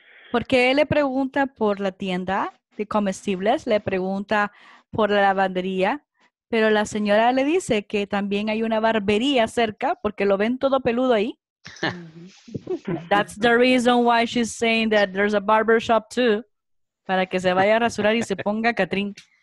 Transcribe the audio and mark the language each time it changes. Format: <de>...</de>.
<es>Porque él le pregunta por la tienda de comestibles, le pregunta por la lavandería. Pero la señora le dice que también hay una barbería cerca porque lo ven todo peludo ahí.</es> <en>That's the reason why she's saying that there's a barber shop too.</en> <es>Para que se vaya a rasurar y se ponga Catrín.</es>